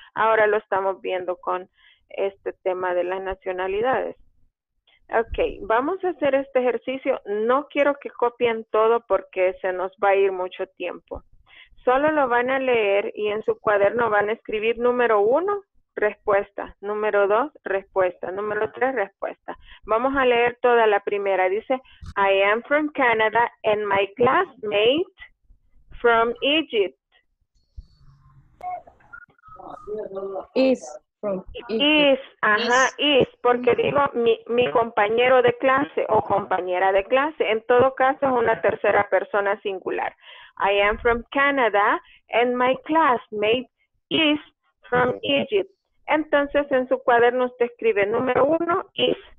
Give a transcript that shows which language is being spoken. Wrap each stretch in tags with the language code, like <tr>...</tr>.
<es>Ahora lo estamos viendo con este tema de las nacionalidades. Ok, vamos a hacer este ejercicio. No quiero que copien todo porque se nos va a ir mucho tiempo. Solo lo van a leer y en su cuaderno van a escribir número uno, respuesta. Número dos, respuesta. Número tres, respuesta. Vamos a leer toda la primera. Dice,</es> <en>I am from Canada and my classmate from Egypt. Is.</en> <es>Is, ajá, is, porque digo mi compañero de clase o compañera de clase, en todo caso es una tercera persona singular.</es> <en>I am from Canada and my classmate is from Egypt.</en> <es>Entonces en su cuaderno usted escribe número uno, is.</es>